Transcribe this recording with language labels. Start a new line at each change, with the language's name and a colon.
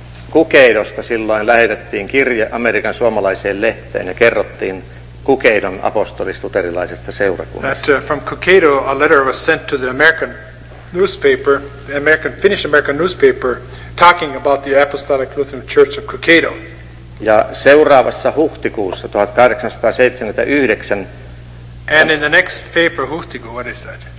Finnish: Kukeidosta silloin lähetettiin kirje Amerikan suomalaiseen lehteen ja kerrottiin Kukeidon apostolisluterilaisesta seurakunnasta.
English: That from Kukeido a letter was sent to the American newspaper, the American Finnish American newspaper, talking about the Apostolic Lutheran Church of Kukeido.
Finnish: Ja seuraavassa huhtikuussa 1879.
English: And in the next paper,
Finnish: huhtikuu,
English: what is that?